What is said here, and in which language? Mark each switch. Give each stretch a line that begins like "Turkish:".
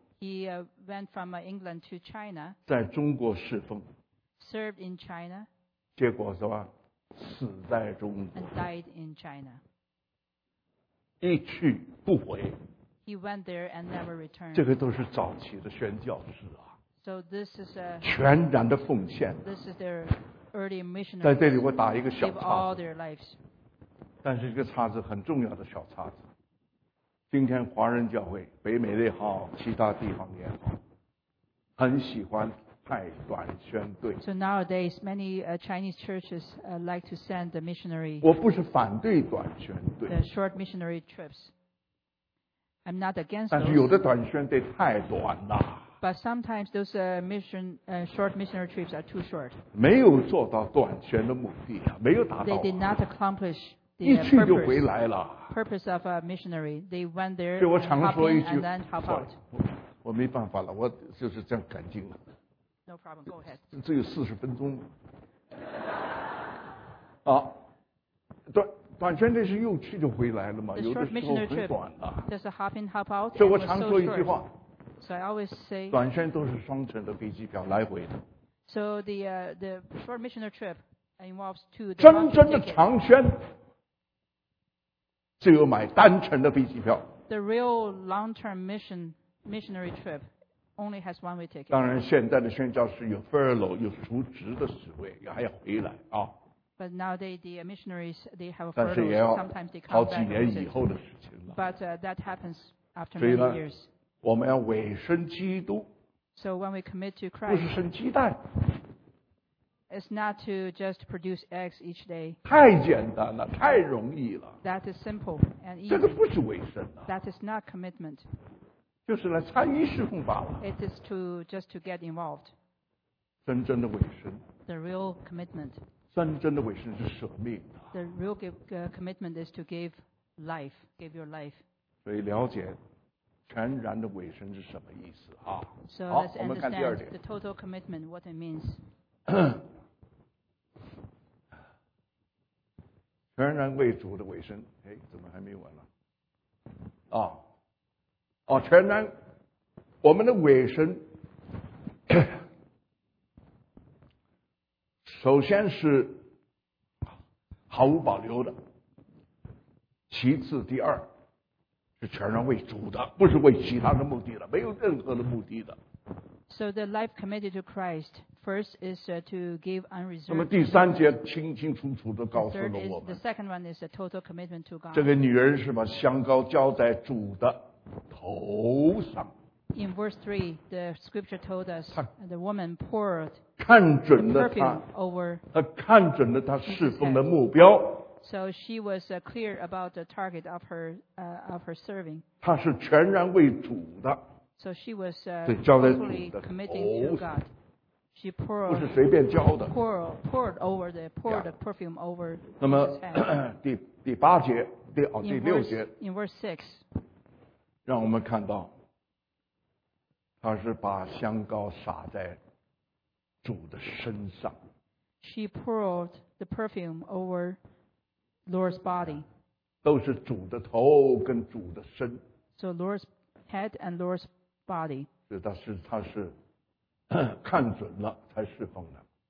English: He went from England to China.
Chinese: 在中国侍奉。
English: Served in China.
Chinese: 结果是吧？死在中国。
English: And died in China.
Chinese: 一去不回。
English: He went there and never returned.
Chinese: 这个都是早期的宣教士啊。
English: So this is a
Chinese: 全然的奉献。
English: This is their early missionary.
Chinese: 在这里我打一个小叉子。
English: Give all their lives.
Chinese: 但是这个叉子很重要的小叉子。今天华人教会北美也好其他地方也好很喜欢派短宣队。
English: So nowadays, many Chinese churches like to send the missionary.
Chinese: 我不是反对短宣队。
English: The short missionary trips. I'm not against
Chinese: those. 但是有的短宣队太短了。
English: But sometimes those short missionary trips are too short.
Chinese: 没有做到短宣的目的啊，没有达到。
English: They did not accomplish.
Chinese: 一去就回来了。
English: Purpose of a missionary, they went there.
Chinese: 对我常说一句，
English: and then hop out.
Chinese: 我没办法了，我就是这样赶进了。
English: No problem, go ahead.
Chinese: 只有四十分钟。啊，短宣队是又去就回来了嘛？有的时候很短的。
English: Just a hop in, hop out.
Chinese: 所以我常说一句话。
English: So I always say.
Chinese: 短宣都是双程的飞机票来回的。
English: So the short missionary trip involves two.
Chinese: 真正的长宣。只有买单程的飞机票。
English: The real long-term missionary trip only has one-way ticket.
Chinese: 当然，现在的宣教士有 furlough， 有赎职的职位，也还要回来啊。
English: But nowadays the missionaries they have furlough.
Chinese: 但是也要好几年以后的事情了。
English: But that happens after many years.
Chinese: 我们要委身基督。
English: So when we commit to Christ,
Chinese: 不是生鸡蛋。
English: It's not to just produce eggs each day.
Chinese: 太简单了，太容易了。
English: That is simple and easy.
Chinese: 这个不是委身啊。
English: That is not commitment.
Chinese: 就是来参与侍奉罢了。
English: It is to just to get involved.
Chinese: 真正的委身。
English: The real commitment.
Chinese: 真正的委身是舍命啊。
English: The real commitment is to give life, give your life.
Chinese: 所以了解全然的委身是什么意思啊？
English: So let's understand the total commitment, what it means.
Chinese: 全然为主的委身，哎，怎么还没完了？啊，哦，全然，我们的委身，首先是毫无保留的，其次第二是全然为主的，不是为其他的目的的，没有任何的目的的。
English: So the life committed to Christ first is to give unreserved.
Chinese: 那么第三节清清楚楚地告诉了我们。
English: The second one is a total commitment to God.
Chinese: 这个女人是把香膏浇在主的头上。
English: In verse 3, the scripture told us the woman poured.
Chinese: 看准了她。
English: Over.
Chinese: 她看准了她侍奉的目标。
English: So she was clear about the target of her serving.
Chinese: 她是全然为主的。
English: So she was totally committing to God. She poured,
Chinese: 不是随便浇的
English: poured the perfume over.
Chinese: 那么第八节第六节
English: in verse 6,
Chinese: 让我们看到她是把香膏撒在主的身上。
English: She poured the perfume over Lord's body.
Chinese: 都是主的头跟主的身。
English: So Lord's head and Lord's body.
Chinese: 但是他是 看准了才侍奉的。